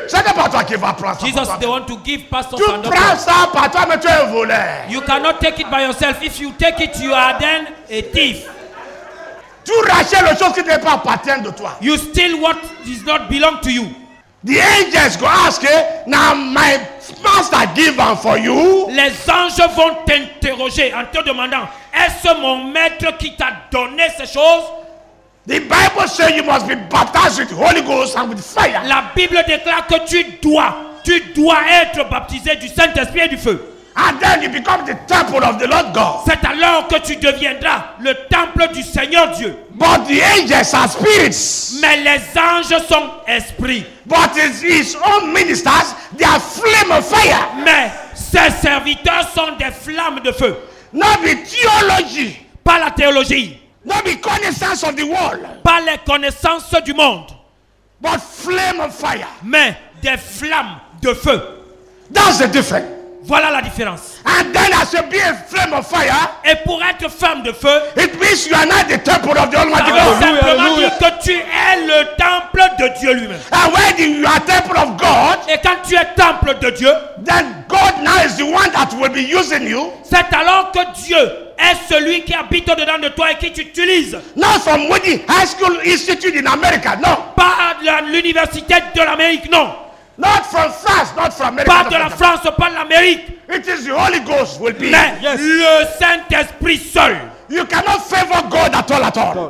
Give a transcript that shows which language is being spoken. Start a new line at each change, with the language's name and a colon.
French: Ce n'est pas toi qui vas prendre ça.
English: Jesus, they want to give pastors.
French: Tu prends ça par toi, mais tu es un voleur.
English: You cannot take it by yourself. If you take it, you are then a thief.
French: Tu rachètes les choses qui ne appartiennent pas de toi.
English: You steal what does not belong to you. The angels go ask, now my master give one for you.
French: Les anges vont t'interroger en te demandant, est-ce mon maître qui t'a donné ces choses?
English: The Bible says you must be baptized with the Holy Ghost and with fire.
French: La Bible déclare que tu dois être baptisé du Saint-Esprit et du feu.
English: And then you become the temple of the Lord God.
French: C'est alors que tu deviendras le temple du Seigneur Dieu.
English: But the angels are spirits.
French: Mais les anges sont esprits.
English: But his own ministers, they are flame of fire.
French: Mais ses serviteurs sont des flammes de feu.
English: Not the theology.
French: Pas la théologie.
English: Not the connaissance of the world.
French: Pas les connaissances du monde.
English: But flame of fire.
French: Mais des flammes de feu.
English: That's the difference.
French: Voilà la différence.
English: And then as you be a flame of fire,
French: et pour être flamme de feu,
English: it means you are not the temple of the Almighty God.
French: Ça veut simplement dire que tu es le temple de Dieu lui-même.
English: And when you are temple of God,
French: et quand tu es temple de Dieu,
English: then God now is the one that will be using you.
French: C'est alors que Dieu est celui qui habite au-dedans de toi et qui t'utilise.
English: Not from Woody High School Institute in America, no.
French: Pas de l'université de l'Amérique, non.
English: Not from France, not from America.
French: Pas de la France, pas de l'Amérique.
English: It is the Holy Ghost will be.
French: Mais yes. Le Saint-Esprit seul.
English: You cannot favor God at all, at all.